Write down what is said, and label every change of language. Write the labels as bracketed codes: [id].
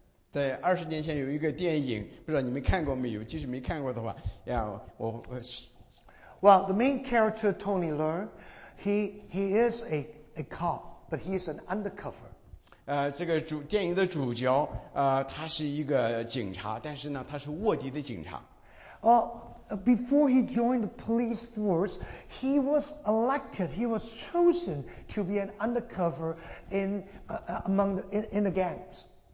[zh] 在二十年前有一个电影，不知道你们看过没有？即使没看过的话，呀，我。 [en] Well, the main character Tony Leung, he is a cop. But he is an undercover. [zh] 这个电影的主角，他是一个警察，但是呢，他是卧底的警察。 [en] Before he joined the police force, he was elected. He was chosen to be an undercover in the gangs.